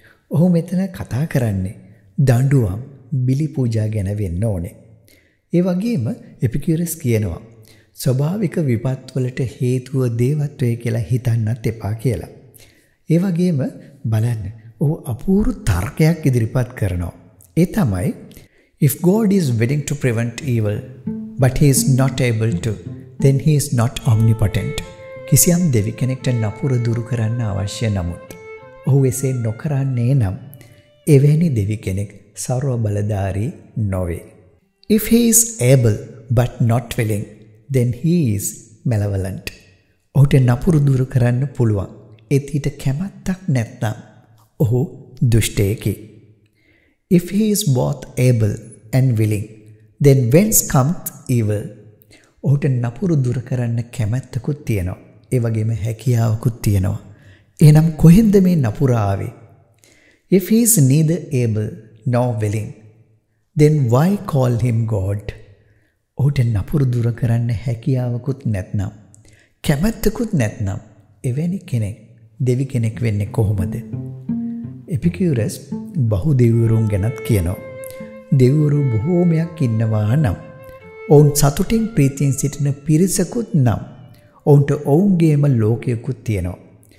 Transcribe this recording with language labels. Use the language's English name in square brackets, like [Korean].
[Sinhala] ඔහු මෙතන කතා කරන්නේ දඬුවම්, බිලි පූජා ගැන වෙන්න ඕනේ. ඒ වගේම එපිකියුරස් කියනවා ස්වභාවික විපත් වලට හේතුව දේවත්වය කියලා හිතන්නත් එපා කියලා. ඒ වගේම බලන්න, ඔහු අපූර්ව තර්කයක් ඉදිරිපත් කරනවා. ඒ තමයි, [English] If God is willing to prevent evil but he is not able to, then he is not omnipotent. [Sinhala] කිසියම් දෙවි කෙනෙක්ට නපුර දුරු කරන්න අවශ්‍ය නමුත් ඔහු එසේ නොකරන්නේ නම් එවැනි දෙවි කෙනෙක් සර්ව බලධාරී නොවේ. [English] If he is able but not willing, then he is malevolent. [Sinhala] ඔහුට නපුරු දුරු කරන්න පුළුවන්. ඒත් ඊට කැමැත්තක් නැත්නම් ඔහු දුෂ්ටයෙකි. [English] If he is both able and willing, then whence comes evil? [Sinhala] ඔහුට නපුරු දුරු කරන්න කැමැත්තකුත් තියෙනවා. ඒ වගේම හැකියාවකුත් තියෙනවා. එහෙනම් කොහෙන්ද මේ නපුර ආවේ? [English] If he is neither able nor willing, then why call him God? [Sinhala] ඔහුට නපුරු දුර කරන්න හැකියාවකුත් නැත්නම්, කැමැත්තකුත් නැත්නම් එවැනි කෙනෙක් දෙවි කෙනෙක් වෙන්නේ කොහොමද? එපිකියුරස් බහු දෙවිවරුන් ගැනත් කියනවා. දෙවිවරු බොහෝමයක් ඉන්නවා නම්, ඔවුන් සතුටින් ප්‍රීතියෙන් සිටින පිරිසකුත් නම්, ඔවුන්ට ඔවුන්ගේම ලෝකයකුත් තියෙනවා.